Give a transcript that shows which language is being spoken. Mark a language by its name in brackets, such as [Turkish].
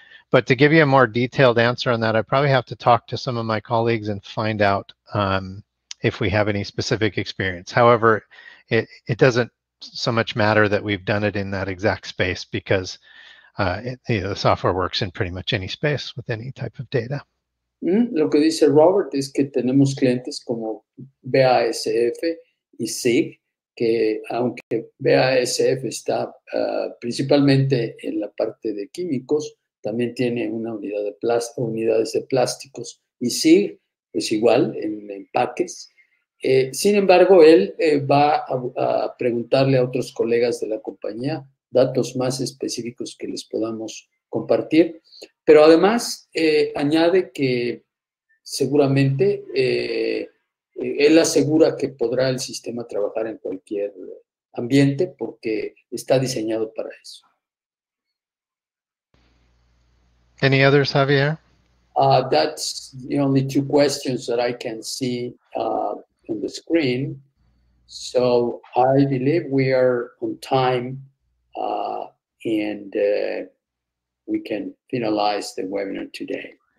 [English] But to give you a more detailed answer on that, I probably have to talk to some of my colleagues and find out if we have any specific experience. However, it doesn't so much matter that we've done it in that exact space because the software works in pretty much any space with any type of data. [Spanish] Lo que dice Robert es que tenemos clientes como BASF y SIG, que aunque BASF está principalmente en la parte de químicos, también tiene una unidad de unidades de plásticos. Y SIG es igual en empaques. Sin embargo, él va a preguntarle a otros colegas de la compañía datos más específicos que les podamos compartir. Pero además, añade que seguramente él asegura que podrá el sistema trabajar en cualquier ambiente porque está diseñado para eso. [English] Any others, Javier? That's the only two questions that I can see on the screen. So I believe we are on time and we can finalize the webinar today.